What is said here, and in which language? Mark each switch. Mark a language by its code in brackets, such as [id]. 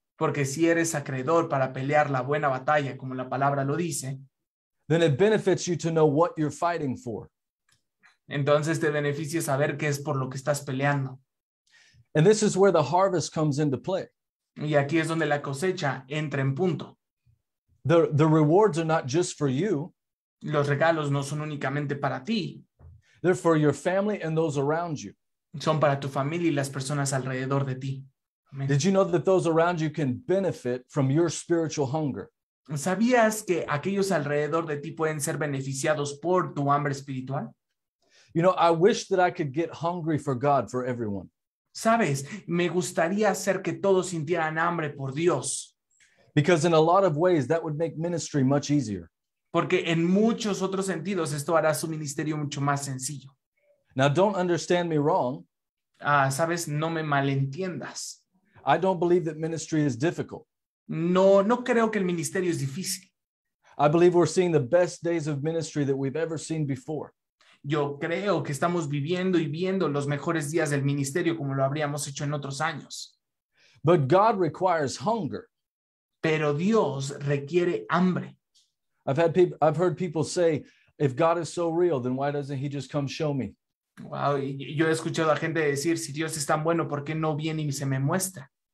[es] porque si eres acreedor para pelear la buena batalla, como la palabra lo dice, [en] then it benefits you to know what you're fighting for. [es] Entonces te beneficia saber qué es por lo que estás peleando. [en] And this is where the harvest comes into play. [es] Y aquí es donde la cosecha entra en punto. [en] The rewards are not just for you. [es] Los regalos no son únicamente para ti. [en] They're for your family and those around you. [es] Son para tu familia y las personas alrededor de ti. [en] Did you know that those around you can benefit from your spiritual hunger? [es] ¿Sabías que aquellos alrededor de ti pueden ser beneficiados por tu hambre espiritual? [en] You know, I wish that I could get hungry for God for everyone. [es] ¿Sabes? Me gustaría hacer que todos sintieran hambre por Dios. [en] Because in a lot of ways, that would make ministry much easier. [es] Porque en muchos otros sentidos, esto hará su ministerio mucho más sencillo. [en] Now, don't understand me wrong. [es] ¿Sabes? No me malentiendas. [en] I don't believe that ministry is difficult. [es] No creo que el ministerio es difícil. [en] I believe we're seeing the best days of ministry that we've ever seen before. [es] Yo creo que estamos viviendo y viendo los mejores días del ministerio como lo habríamos hecho en otros años. [en] But God requires hunger. [es] Pero Dios requiere hambre. [en] I've heard people say, if God is so real, then why doesn't he just come show me? [es] Wow, yo he escuchado a gente decir, si Dios es tan bueno, ¿por qué no viene y se me muestra?